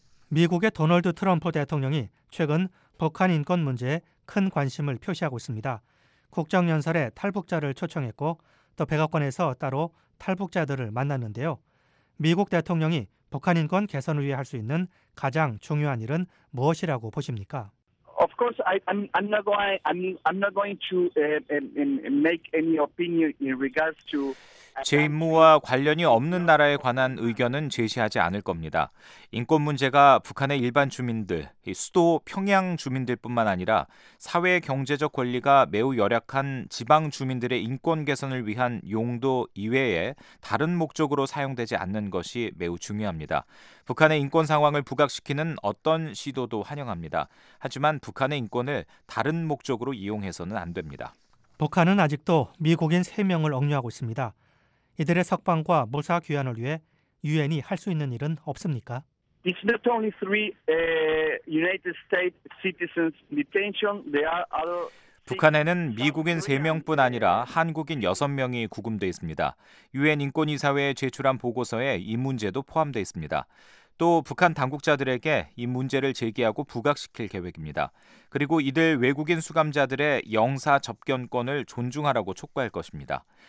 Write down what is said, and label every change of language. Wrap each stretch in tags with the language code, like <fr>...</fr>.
<ko>미국의 도널드 트럼프 대통령이 최근 북한 인권 문제에 큰 관심을 표시하고 있습니다. 국정연설에 탈북자를 초청했고 또 백악관에서 따로 탈북자들을 만났는데요. 미국 대통령이 북한 인권 개선을 위해 할 수 있는 가장 중요한 일은 무엇이라고 보십니까?</ko> <en>Of course, I'm not going to make any opinion in regards to</en> <ko>제 임무와 관련이 없는 나라에 관한 의견은 제시하지 않을 겁니다. 인권 문제가 북한의 일반 주민들, 수도 평양 주민들뿐만 아니라 사회 경제적 권리가 매우 열악한 지방 주민들의 인권 개선을 위한 용도 이외에 다른 목적으로 사용되지 않는 것이 매우 중요합니다. 북한의 인권 상황을 부각시키는 어떤 시도도 환영합니다. 하지만 북한의 인권을 다른 목적으로 이용해서는 안 됩니다. 북한은 아직도 미국인 3명을 억류하고 있습니다. 이들의 석방과 무사 귀환을 위해 유엔이 할 수 있는 일은 없습니까?</ko> <en>It's not only three United States citizens detention. There are other</en> <ko>북한에는 미국인 3명뿐 아니라 한국인 6명이 구금돼 있습니다. 유엔 인권이사회에 제출한 보고서에 이 문제도 포함돼 있습니다. 또 북한 당국자들에게 이 문제를 제기하고 부각시킬 계획입니다. 그리고 이들 외국인 수감자들의 영사 접견권을 존중하라고 촉구할 것입니다.</ko>